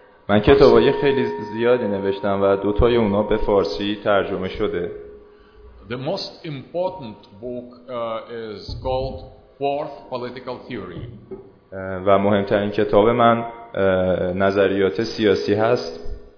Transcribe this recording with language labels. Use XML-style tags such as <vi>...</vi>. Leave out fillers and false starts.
<fa>من کتابای خیلی زیادی نوشتم و دو تای اونا به فارسی ترجمه شده.</fa> <en>The most important book is called Fourth Political Theory.</en> <fa>و مهمترین کتاب من نظریات سیاسی هست.</fa>